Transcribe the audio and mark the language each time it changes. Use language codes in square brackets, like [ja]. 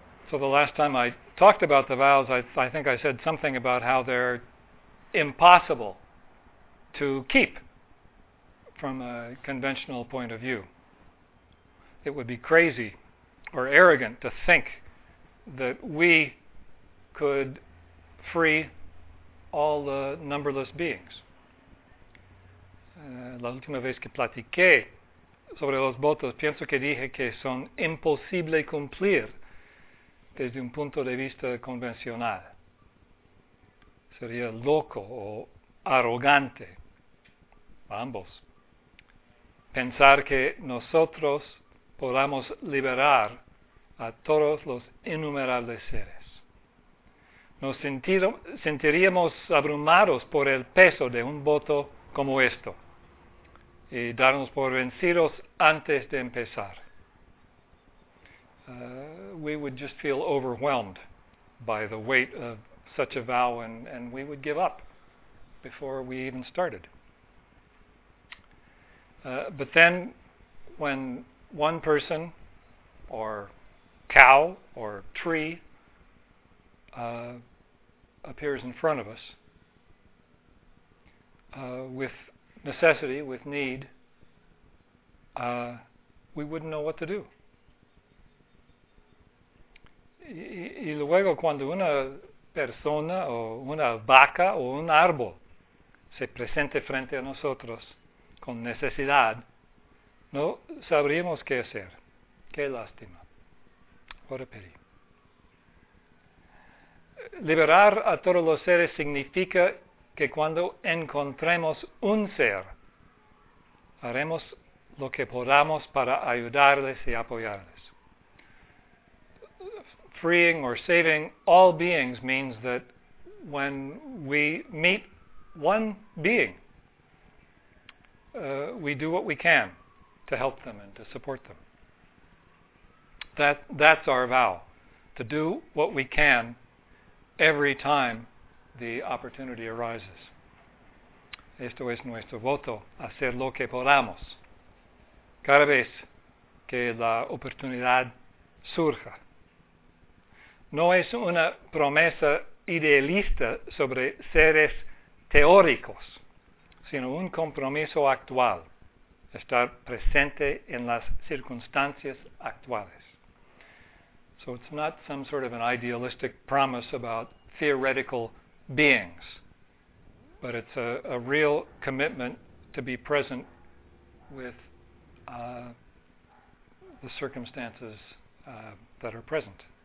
[en] So the last time I talked about the vows, I think I said something about how they're impossible to keep from a conventional point of view. It would be crazy or arrogant to think that we could free all the numberless beings. [es] La última vez que platiqué sobre los votos, pienso que dije que son imposible cumplir. desde un punto de vista convencional. Sería loco o arrogante, ambos, pensar que nosotros podamos liberar a todos los innumerables seres. Nos sentiríamos abrumados por el peso de un voto como esto y darnos por vencidos antes de empezar. [en] We would just feel overwhelmed by the weight of such a vow, and we would give up before we even started. But then, when one person, or cow, or tree, appears in front of us, with necessity, with need, we wouldn't know what to do. [es] Y luego cuando una persona o una vaca o un árbol se presente frente a nosotros con necesidad, no sabríamos qué hacer. Qué lástima. [en] What a pity. [es] Liberar a todos los seres significa que cuando encontremos un ser, haremos lo que podamos para ayudarles y apoyarles. [en] Freeing or saving all beings means that when we meet one being, we do what we can to help them and to support them. That's our vow, to do what we can every time the opportunity arises. [es] Esto es nuestro voto, hacer lo que podamos, cada vez que la oportunidad surja. No es una promesa idealista sobre seres teóricos, sino un compromiso actual, estar presente en las circunstancias actuales. [en] So it's not some sort of an idealistic promise about theoretical beings, but it's a real commitment to be present with the circumstances that are present.